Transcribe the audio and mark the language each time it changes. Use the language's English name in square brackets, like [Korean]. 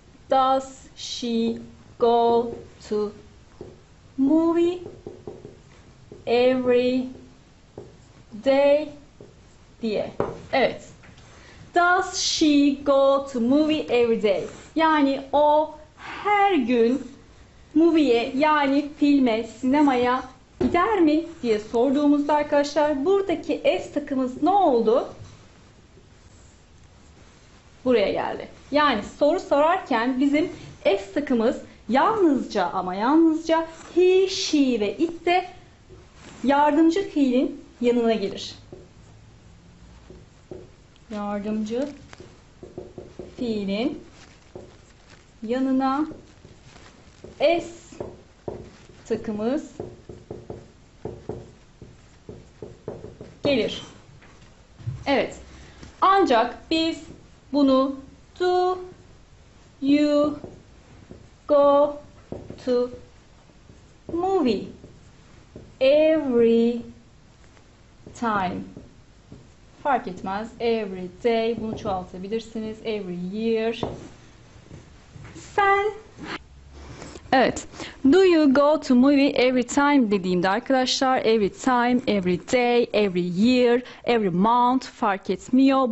[English] Does she go to movie every day [Turkish] diye. Evet. [English] Does she go to movie every day? [Turkish] Yani o her gün movie'ye, yani filme, sinemaya gider mi diye sorduğumuzda arkadaşlar buradaki s takımız ne oldu? buraya geldi. Yani soru sorarken bizim es takımız yalnızca ama yalnızca he, she ve it de yardımcı fiilin yanına gelir. Yardımcı fiilin yanına es takımız gelir. Evet. Ancak biz bunu [English] do, you, go, to, movie, every time. [Turkish] Fark etmez. [English] Every day. [Turkish] Bunu çoğaltabilirsiniz. [English] Every year. [Turkish] Sen. Evet. [English] Do you go to movie every time [Turkish] dediğimde arkadaşlar, every time, every day, every year, every month fark etmiyor.